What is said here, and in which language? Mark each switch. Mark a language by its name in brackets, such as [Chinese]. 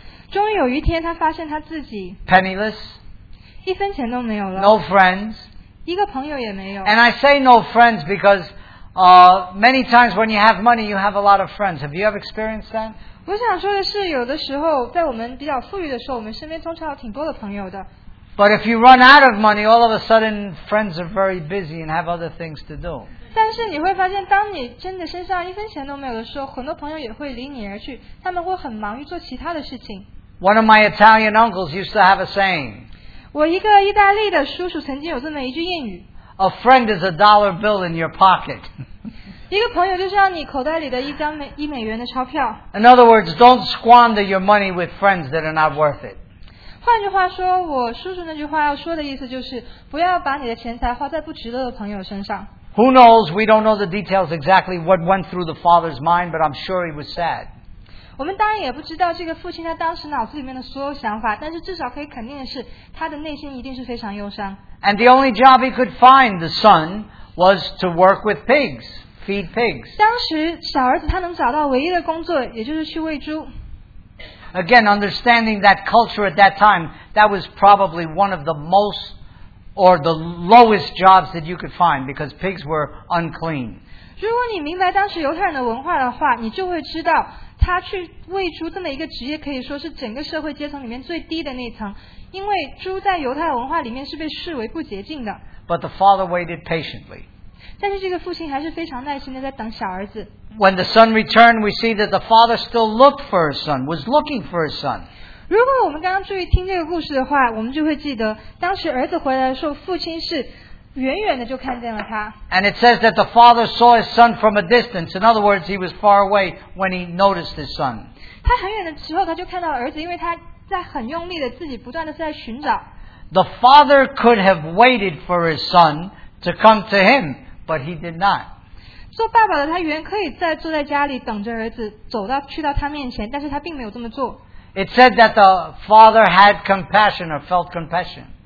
[Chinese] 终于有一天他发现他自己, [English] penniless, [Chinese] 一分钱都没有了, [English] no friends, [Chinese] 一个朋友也没有, [English] and I say no friends because many times when you have money, you have a lot of friends. Have you ever experienced that? [Chinese] 我想说的是, 有的时候, 在我们比较富裕的时候, 我们身边通常有挺多的朋友的, [English] but if you run out of money, all of a sudden, friends are very busy and have other things to do. [Chinese] 但是你会发现当你真的身上一分钱都没有的时候, 很多朋友也会离你而去, 他们会很忙于做其他的事情。 [English] One of my Italian uncles used to have a saying. [Chinese] 我一个意大利的叔叔曾经有这么一句谚语, [English] a friend is a dollar bill in your pocket. [Chinese] 一个朋友就像你口袋里的一张美元的钞票。 [English] In other words, don't squander your money with friends that are not worth it. [Chinese] 换句话说,我叔叔那句话要说的意思就是, 不要把你的钱财花在不值得的朋友身上。 [English] Who knows, we don't know the details exactly what went through the father's mind, but I'm sure he was sad. [Chinese] 我们当然也不知道这个父亲他当时脑子里面的所有想法, 但是至少可以肯定的是, 他的内心一定是非常忧伤。 [English] And the only job he could find, the son, was to work with pigs, feed pigs. [Chinese] 当时小儿子他能找到唯一的工作, 也就是去喂猪。 [English] Again, understanding that culture at that time, that was probably one of the most or the lowest jobs that you could find because pigs were unclean. [Chinese] 如果你明白当时犹太人的文化的话, 你就会知道, 他去喂猪这么一个职业可以说是整个社会阶层里面最低的那一层, 因为猪在犹太文化里面是被视为不洁净的。 [English] But the father waited patiently. [Chinese] 但是这个父亲还是非常耐心的在等小儿子。 [English] When the son returned, we see that the father still looked for his son, was looking for his son. [Chinese] 如果我们刚刚注意听这个故事的话, 我们就会记得当时儿子回来的时候, 父亲是远远的就看见了他。 [English] And it says that the father saw his son from a distance. In other words, he was far away when he noticed his son. [Chinese] 他很远的时候他就看到儿子, 因为他在很用力的自己不断的在寻找。 [English] The father could have waited for his son to come to him, but he did not. [Chinese] 做爸爸的他原可以再坐在家里等着儿子走到去到他面前，但是他并没有这么做。 [English] It said that the father had compassion or felt compassion.